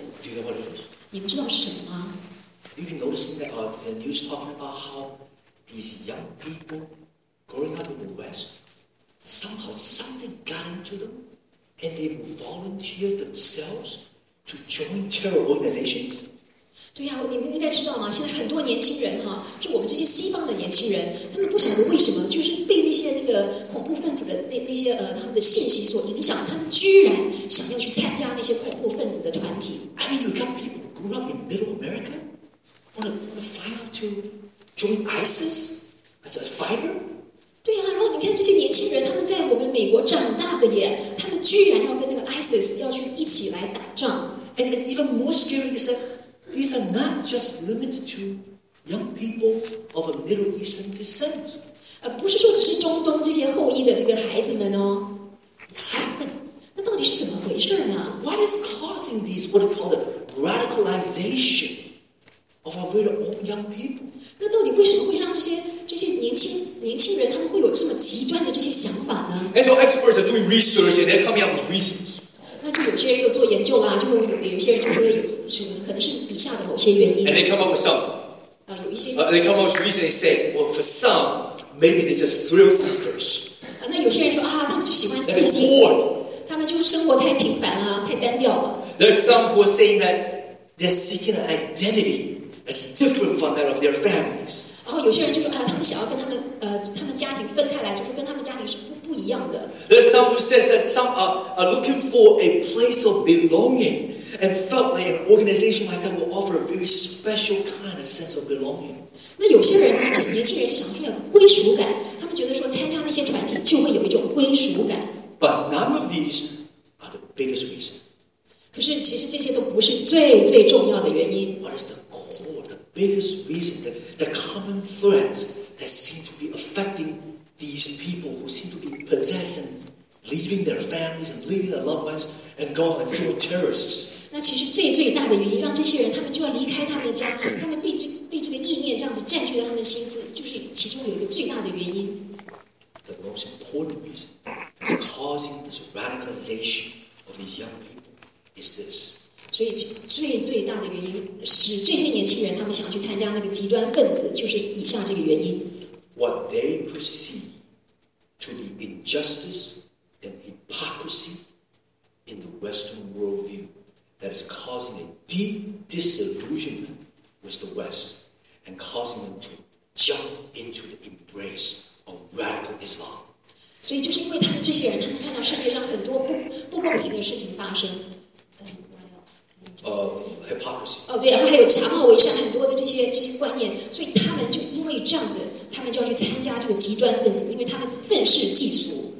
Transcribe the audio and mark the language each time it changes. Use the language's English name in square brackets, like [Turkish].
[English] Do you know what it is? [Chinese] 你们知道是什么吗 [English] ？You can notice that the news talking about how these young people growing up in the West somehow something got into them, and they volunteered themselves to join terror organizations. [Chinese] 对呀、啊，你们应该知道嘛。现在很多年轻人就我们这些西方的年轻人，他们不晓得为什么，就是被那些那个恐怖分子的那些他们的信息所影响，他们居然想要去参加那些恐怖分子的团体。 [English] I mean, you got people who grew up in Middle America, wanna fly out to join ISIS as a fighter? [Chinese] 对呀、啊，然后你看这些年轻人，他们在我们美国长大的耶，他们居然要跟那个 ISIS 要去一起来打仗。 [English] And even more scary is that. These are not just limited to young people of a Middle Eastern descent. [Chinese] 不是说只是中东这些后裔的这个孩子们哦。 [English] What happened? [Chinese] 那到底是怎么回事呢 [English] ？What is causing these what are called the radicalization of our very own young people? [Chinese] 那到底为什么会让这些年轻人他们会有这么极端的这些想法呢 [English] ？And so experts are doing research, and they're coming up with reasons. [Chinese] 那就有些人又做研究啦，就会有些人就说是可能是以下的某些原因。 [English] And they come up with some. [Chinese] 有一些。 [English] They come up with reason. They say, well, for some, maybe they're just thrill seekers. [Chinese] 那有些人说他们就喜欢刺激。 [English] That's bored. [Chinese] 他们就生活太平凡了，太单调了。 [English] There's some who are saying that they're seeking an identity that's different from that of their families. [Chinese] 然后有些人就说他们想要跟他们家庭分开来，就是跟他们家庭是。 [English] There's some who says that some are looking for a place of belonging and felt like an organization like that will offer a very special kind of sense of belonging. [Chinese] 那有些人呢，就是年轻人是想说要个归属感，他们觉得说参加那些团体就会有一种归属感。 [English] But none of these are the biggest reason. [Chinese] 可是其实这些都不是最最重要的原因。 [English] What is the core, the biggest reason, the common threads that seem to be affecting? These people who seem to be possessing, leaving their families and leaving their loved ones and gone and joined terrorists. [Chinese] 那其实最最大的原因让这些人他们就要离开他们的家，他们被这个意念这样子占据了他们的心思，就是其中有一个最大的原因。 [English] The most important reason that's causing this radicalization of these young people is this. [Chinese] 所以最最大的原因使这些年轻人他们想去参加那个极端分子，就是以下这个原因。 [English] What they perceive to be injustice and hypocrisy in the Western worldview that is causing a deep disillusionment with the West and causing them to jump into the embrace of radical Islam. [Chinese] 所以就是因为他们这些人，他们看到世界上很多不公平的事情发生。 [English] hypocrisy. [Chinese] 哦，对，然后还有假冒伪善，很多的这些观念，所以他们就因为这样子，他们就要去参加这个极端分子，因为他们愤世嫉俗。